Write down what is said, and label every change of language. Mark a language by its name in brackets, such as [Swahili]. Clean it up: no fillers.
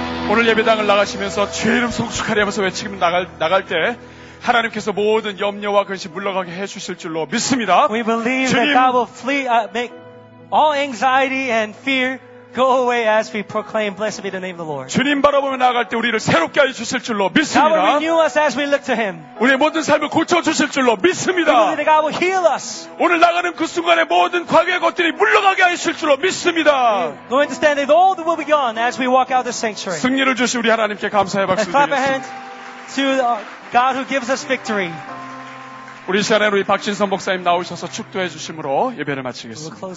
[Korean] 오늘 예배당을 나가시면서 주의 이름 송축하리 하면서 외치며 나갈 때 하나님께서 모든 염려와 근심 물러가게 해주실 줄로 믿습니다. [English] We believe that God will flee, make all anxiety and fear go away as we proclaim, blessed be the name of the Lord. [Korean] 주님 바라보며 나아갈 때 우리를 새롭게 하여 주실 줄로 믿습니다. [English] God will renew us as we look to Him. [Korean] 우리의 모든 삶을 고쳐 주실 줄로 믿습니다. [English] God will heal us. [Korean] 오늘 나가는 그 순간에 모든 과거의 것들이 물러가게 하실 줄로 믿습니다. [English] We're going to stand that all will be gone as we walk out of the sanctuary. [Korean] 승리를 주신 우리 하나님께 감사의 박수 드리겠습니다. [English] Clap our hands to God who gives us victory. [Korean] 우리 시간에 우리 박진선 목사님 나오셔서 축도해 주심으로 예배를 마치겠습니다.